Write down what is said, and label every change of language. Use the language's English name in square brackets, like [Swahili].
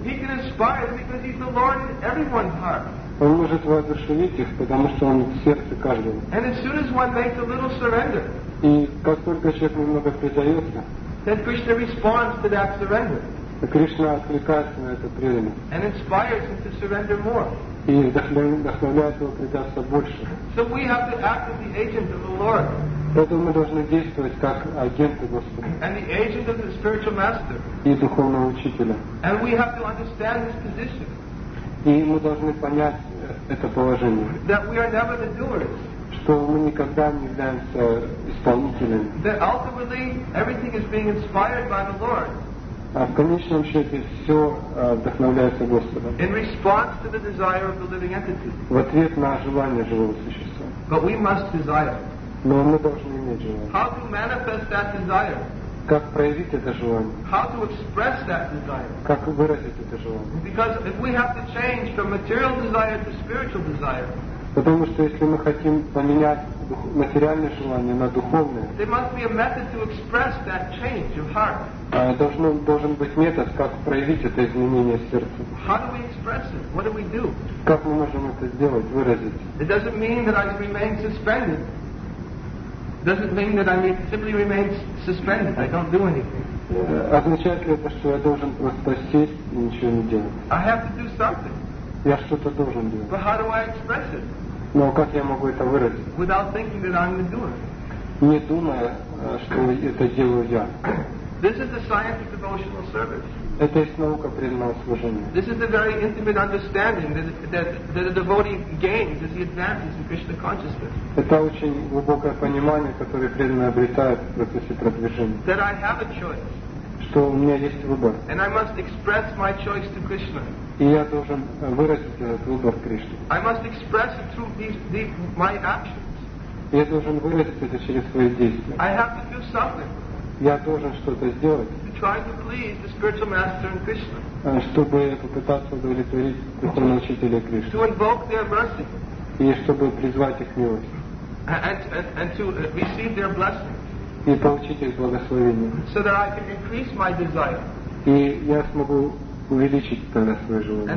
[English] He can inspire them because he's the Lord in everyone's heart. [Russian] Он может воодушевить их, потому что он в сердце каждого. [English] And as soon as one makes a little surrender. [Russian] И как только человек немного предается. [English] Then Krishna responds to that surrender. [Russian] Кришна откликается на это преданное. [English] And inspires him to surrender more. [Russian] И вдохновляет его предаться больше. [English] So we have to act as the agent of the Lord. [Russian] Поэтому мы должны действовать как агенты Господа. [English] And the agent of the spiritual master. [Russian] И духовного учителя. [English] And we have to understand this position. [Russian] И мы должны понять это положение. [English] That we are never the doers. [Russian] Что мы никогда не являемся исполнителями. [English] That ultimately everything is being inspired by the Lord. [Russian] А в конечном счете все вдохновляется Господом. [English] In response to the desire of the living entity. [Russian] В ответ на желание живого существа. [English] But we must desire. [Russian] Но мы должны иметь желание. [English] How to manifest that desire? [Russian] Как проявить это желание? [English] How to express that desire? [Russian] Как выразить это желание? [English] Because if we have to change from material desire to spiritual desire. [Russian] Потому что если мы хотим поменять материальное желание на духовное. [English] There must be a method to express that change of heart. [Russian] Должен быть метод, как проявить это изменение сердца. [English] How do we express it? What do we do? [Russian] Как мы можем это сделать, выразить? [English] It doesn't mean that I remain suspended. Doesn't mean that I simply remain suspended. I don't do anything. [Russian] Означает ли это, что я должен просто сесть и ничего не делать? [English] I have to do something. [Russian] Я что-то должен делать. [English] But how do I express it? [Russian] Но как я могу это выразить? [English] Without thinking that I'm the doer. [Russian] Не думая, что это делаю я. [English] This is the science of devotional service. [Russian] Это есть наука преданного служения. [English] This is the very intimate understanding that a devotee gains as he advances in Krishna consciousness. [Russian] Это очень глубокое понимание, которое преданный обретает в процессе продвижения. [English] That I have a choice. [Russian] Что у меня есть выбор. [English] And I must express my choice to Krishna. [Russian] И я должен выразить этот выбор Кришне. [English] I must express it through these my actions. [Russian] Я должен выразить это через свои действия. [English] I have to do something. [Russian] Я должен что-то сделать. [English] To try to please the spiritual master and Krishna. [Russian] Чтобы попытаться удовлетворить духовного учителя Кришны. [English] To invoke their mercy. [Russian] И чтобы призвать их милость. [English] And to receive their blessings. [Russian] И получить их благословение. [English] So that I can increase my desire. [Russian] И я смогу увеличить тогда свое желание.